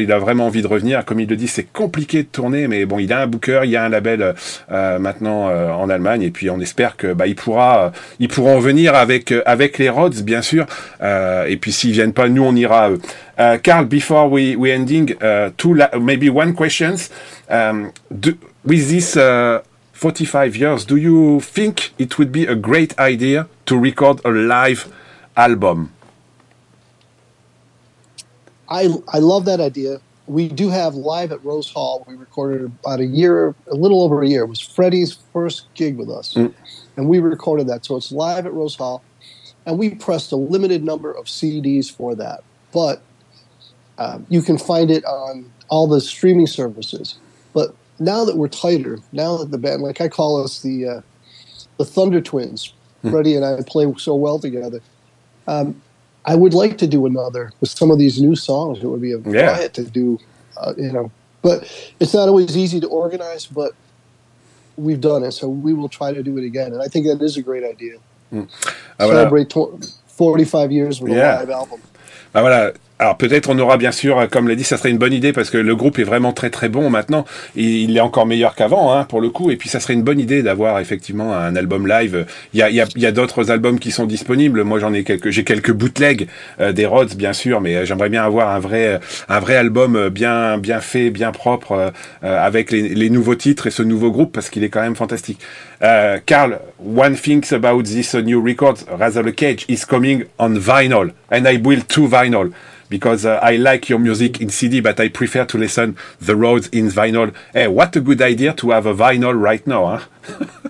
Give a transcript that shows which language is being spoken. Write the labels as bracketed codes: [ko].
[fr] Il a vraiment envie de revenir. Comme il le dit, c'est compliqué de tourner, mais bon, il a un booker, il y a un label maintenant en Allemagne. Et puis on espère que bah ils pourront venir avec les Rhodes, bien sûr. Et puis s'ils viennent pas, nous on ira à eux. [en] Carl, before we ending, maybe one questions. With this 45 years, do you think it would be a great idea to record a live album? I love that idea. We do have live at Rose Hall. We recorded about a year, a little over a year. It was Freddie's first gig with us. Mm. And we recorded that. So it's live at Rose Hall. And we pressed a limited number of CDs for that. But you can find it on all the streaming services. But now that we're tighter, now that the band, like I call us the Thunder Twins, Freddie and I play so well together. I would like to do another with some of these new songs. It would be a riot to do, you know. But it's not always easy to organize, but we've done it. So we will try to do it again. And I think that is a great idea. Mm. Celebrate 45 years with a live album. [fr] Ah, voilà. Alors peut-être on aura bien sûr, comme l'a dit, ça serait une bonne idée parce que le groupe est vraiment très très bon maintenant. Il est encore meilleur qu'avant, hein, pour le coup. Et puis ça serait une bonne idée d'avoir effectivement un album live. Il y a d'autres albums qui sont disponibles. Moi j'ai quelques bootlegs des Rhodes bien sûr, mais j'aimerais bien avoir un vrai album bien fait, bien propre avec les nouveaux titres et ce nouveau groupe parce qu'il est quand même fantastique. [en] Carl, one thing about this new record, Razor the Cage, is coming on vinyl, and I will too vinyl. Because I like your music in CD, but I prefer to listen The Rhodes in vinyl. Hey, what a good idea to have a vinyl right now, huh?